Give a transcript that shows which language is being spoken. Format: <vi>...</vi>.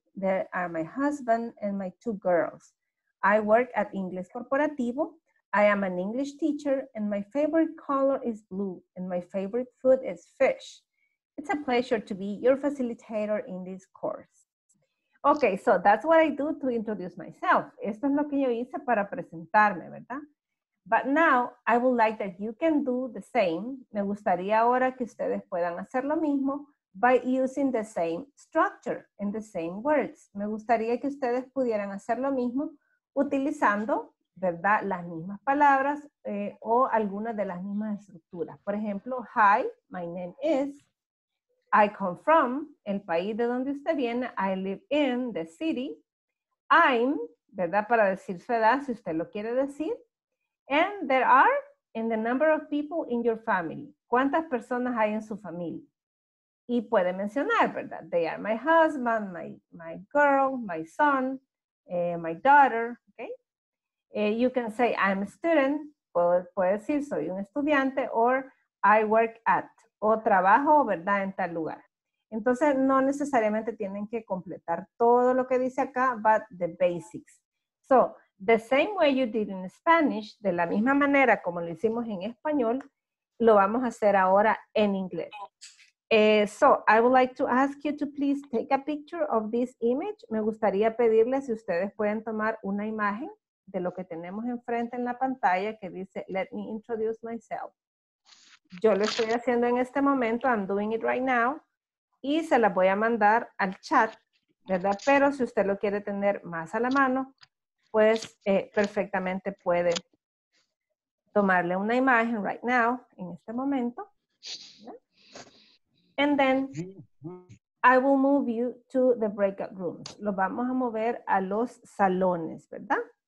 <en>There are my husband and my 2 girls. I work at Inglés Corporativo. I am an English teacher, and my favorite color is blue, and my favorite food is fish. It's a pleasure to be your facilitator in this course. Okay, so that's what I do to introduce myself.</en> <es>Esto es lo que yo hice para presentarme, ¿verdad?</es> <en>But now, I would like that you can do the same.</en> <es>Me gustaría ahora que ustedes puedan hacer lo mismo</es> <en>by using the same structure and the same words.</en> <es>Me gustaría que ustedes pudieran hacer lo mismo utilizando, ¿verdad? Las mismas palabras o algunas de las mismas estructuras. Por ejemplo,</es> <en>hi, my name is, I come from,</en> <es>el país de donde usted viene,</es> <en>I live in the city, I'm, ¿verdad?</en> <es>Para decir su edad, si usted lo quiere decir.</es> <en>And there are in the number of people in your family.</en> <es>¿Cuántas personas hay en su familia? Y puede mencionar, ¿verdad?</es> <en>They are my husband, my girl, my son, my daughter, okay? You can say, I'm a student.</en> <es>Puede decir, soy un estudiante,</es> <en>or I work at,</en> <es>o trabajo, ¿verdad? En tal lugar. Entonces, no necesariamente tienen que completar todo lo que dice acá,</es> <en>but the basics. So, the same way you did in Spanish,</en> <es>de la misma manera como lo hicimos en español, lo vamos a hacer ahora en inglés.</es> <en>So, I would like to ask you to please take a picture of this image.</en> <es>Me gustaría pedirles si ustedes pueden tomar una imagen de lo que tenemos enfrente en la pantalla que dice,</es> <en>let me introduce myself.</en> <es>Yo lo estoy haciendo en este momento,</es> <en>I'm doing it right now,</en> <es>y se la voy a mandar al chat, ¿verdad? Pero si usted lo quiere tener más a la mano, pues perfectamente puede tomarle una imagen</es> <en>right now,</en> <es>en este momento, ¿verdad?</es> <en>And then, I will move you to the breakout rooms.</en> <es>Los vamos a mover a los salones, ¿verdad?</es>